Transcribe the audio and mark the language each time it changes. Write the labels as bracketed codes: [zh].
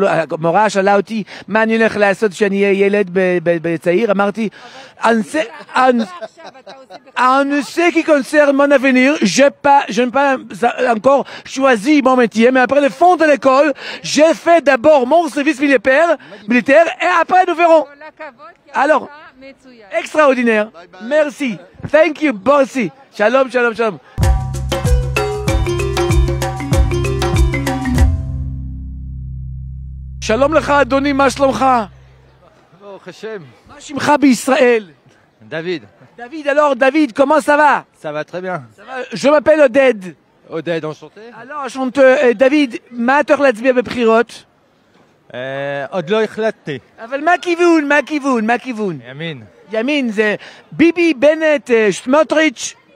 [he] המורה שאלה אותי מה אני הולך לעשות כשאני אהיה ילד בצעיר. אמרתי, [fr] En ce qui concerne mon avenir, je n'ai pas encore choisi mon métier, mais après le fond de l'école, j'ai fait d'abord mon service militaire, et après nous verrons. Alors, extraordinaire. [en] Bye bye. [fr] Merci. [en] Thank you, bossy. [he] Shalom, shalom, shalom. שלום לך אדוני, מה שלומך? ברוך השם. מה שמך בישראל? דוד. [fr] דוד, alors דוד, comment ça va? Ça va très bien. Je m'appelle Oded. Oded, enchanté. Alors, enchanté, [he] דוד, מה אתה הולך להצביע בבחירות? עוד לא החלטתי. אבל מה הכיוון, מה הכיוון, מה הכיוון? ימין. ימין, זה ביבי, בנט, סמוטריץ'.